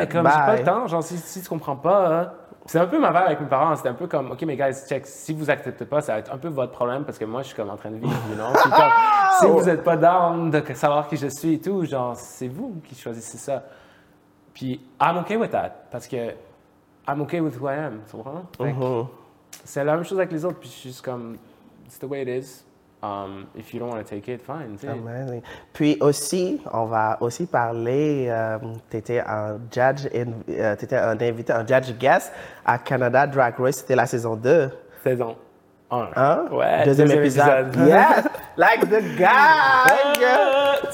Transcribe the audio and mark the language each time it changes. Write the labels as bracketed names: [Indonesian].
[French] Ouais, comme, j'ai pas le temps, genre, si tu comprends pas... Hein. C'est un peu ma vibe avec mes parents, c'était un peu comme, OK, mais guys, check, si vous acceptez pas, ça va être un peu votre problème, parce que moi, je suis comme en train de vivre, [English] you know? [French] Puis comme, si vous êtes pas down de savoir qui je suis et tout, genre, c'est vous qui choisissez ça. [English] Puis, I'm OK with that, [French] parce que... [English] I'm okay with who I am, [French] tu comprends? C'est la même chose avec les autres, puis je suis juste comme, [English] it's the way it is. If you don't want to take it, fine. Amazing. [French] Puis aussi, on va aussi parler, t'étais un invité, un judge guest à Canada Drag Race, c'était la saison 2. Saison 1. Hein? Ouais, deuxième épisode. [English] Yes! Like the guy!